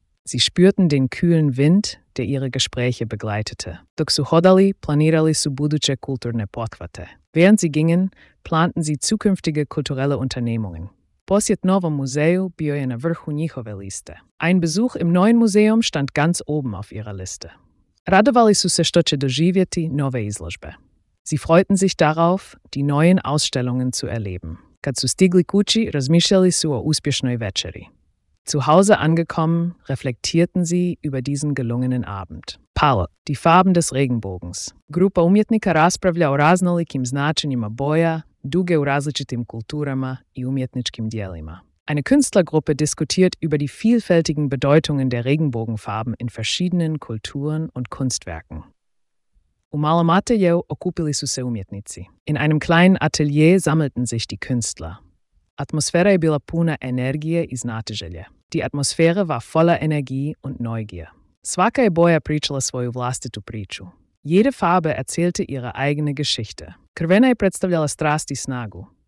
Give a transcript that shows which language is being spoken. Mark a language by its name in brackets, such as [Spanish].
[German] Sie spürten den kühlen Wind, der ihre Gespräche begleitete. [Croatian] Dok su hodali, planirali su buduće kulturne pothvate. [German] Während sie gingen, planten sie zukünftige kulturelle Unternehmungen. [Croatian] Posjet novom muzeju bio je na vrhu njihove liste. [German] Ein Besuch im neuen Museum stand ganz oben auf ihrer Liste. [Croatian] Radovali su se što će doživjeti nove izložbe. [German] Sie freuten sich darauf, die neuen Ausstellungen zu erleben. [Croatian] Kad su stigli kući, razmišljali su o uspješnoj večeri. [German] Zu Hause angekommen, reflektierten sie über diesen gelungenen Abend. [Croatian] Palo, [German] die Farben des Regenbogens. [Croatian] Grupa umjetnika raspravlja o raznolikim značenjima boja, duge u različitim kulturama i umjetničkim djelima. [German] Eine Künstlergruppe diskutiert über die vielfältigen Bedeutungen der Regenbogenfarben in verschiedenen Kulturen und Kunstwerken. [Croatian] U malom ateljeu okupili su se umjetnici. [German] In einem kleinen Atelier sammelten sich die Künstler. [Croatian] Atmosfera je bila puna energije i znatiželje. [German] Die Atmosphäre war voller Energie und Neugier. [Croatian] Svaka je boja pričala svoju vlastitu priču. [German] Jede Farbe erzählte ihre eigene Geschichte. [Croatian] Crvena je predstavljala strast i snagu.